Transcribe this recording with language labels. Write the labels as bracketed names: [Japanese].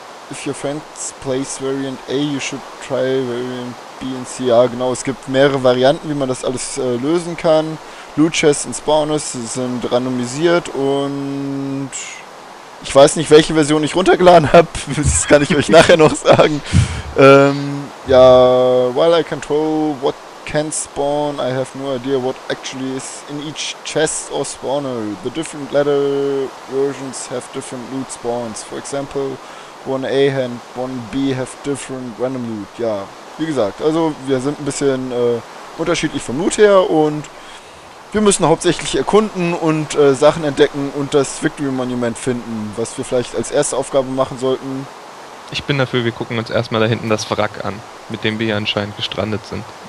[English] If your friends plays Variant A, you should try Variant B and C. [German] Ja, genau, es gibt mehrere Varianten, wie man das alles lösen kann. Loot Chests und Spawners sind randomisiert und ich weiß nicht, welche Version ich runtergeladen habe. Das kann ich euch nachher noch sagen. [English] Ja, while I control what can spawn, I have no idea what actually is in each chest or spawner. The different ladder versions have different loot spawns. For example, 1A and 1B have different random loot. [German] Ja, wie gesagt, also wir sind ein bisschen unterschiedlich vom Loot her und wir müssen hauptsächlich erkunden und Sachen entdecken und das Victory Monument finden, was wir vielleicht als erste Aufgabe machen sollten. Ich bin dafür, wir gucken uns erstmal da hinten das Wrack an, mit dem wir hier anscheinend gestrandet sind.